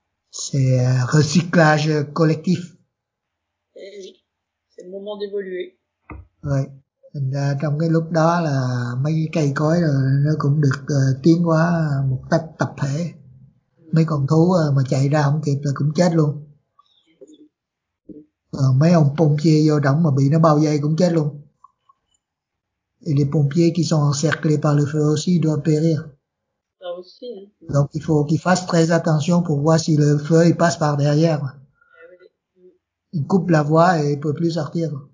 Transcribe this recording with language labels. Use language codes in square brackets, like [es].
[fr] C'est un recyclage collectif. C'est le moment d'évoluer. Oui. [vi] Trong cái lúc đó là mấy cái cây cối nó cũng được tiến hóa một cách tập thể. Mấy con thú mà chạy ra không kịp là cũng chết luôn. Mấy ông pompier vô đóng mà bị nó bao vây cũng chết luôn. [fr] Et les pompiers qui sont encerclés par le feu aussi doivent périr. Donc il faut qu'ils fassent très attention pour voir si le feu il passe par derrière. Il coupe la voie et il ne peut plus sortir.